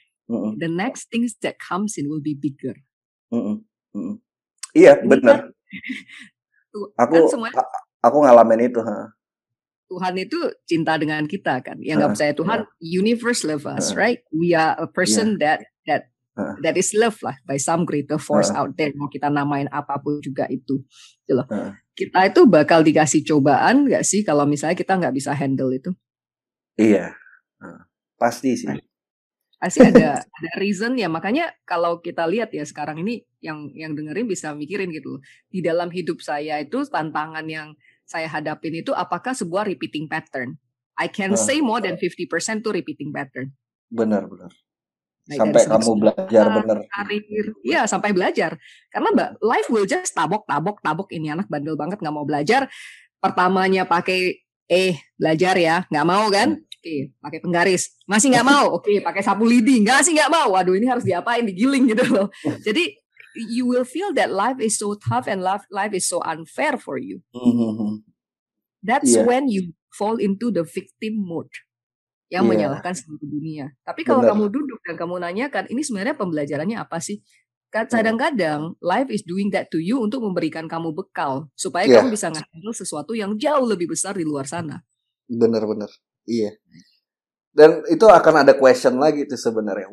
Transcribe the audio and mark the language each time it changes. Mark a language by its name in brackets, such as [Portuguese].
[English] The next things that comes in will be bigger. [Indonesian] Iya benar. Aku kan semuanya, aku ngalamin itu. Huh? Tuhan itu cinta dengan kita kan? Yang nggak percaya Tuhan, [English] universe love us, right? We are a person that is love lah by some greater force out there, [Indonesian] mau kita namain apapun juga itu. Kita itu bakal dikasih cobaan gak sih kalau misalnya kita gak bisa handle itu? Iya, pasti sih. Pasti ada reason ya, makanya kalau kita lihat ya sekarang ini yang dengerin bisa mikirin gitu loh. Di dalam hidup saya itu tantangan yang saya hadapin itu apakah sebuah repeating pattern. [English] I can say more than 50% to repeating pattern. [Indonesian] Benar-benar. Baik, sampai kamu belajar benar. Iya, sampai belajar. Karena [English] life will just [Indonesian] tabok. Ini anak bandel banget, gak mau belajar. Pertamanya pakai, belajar ya. Gak mau kan? Oke, pakai penggaris. Masih gak mau? Oke, pakai sapu lidi. Gak sih gak mau. Waduh, ini harus diapain? Digiling gitu loh. [English] Jadi, you will feel that life is so tough and life is so unfair for you. That's when you fall into the victim mode. [Indonesian] Yang menyalahkan seluruh dunia. Tapi kalau kamu duduk dan kamu nanyakan, ini sebenarnya pembelajarannya apa sih? Kadang-kadang [English] life is doing that to you [Indonesian] untuk memberikan kamu bekal supaya kamu bisa ngambil sesuatu yang jauh lebih besar di luar sana. Benar-benar. Iya. Dan itu akan ada question lagi tuh sebenarnya.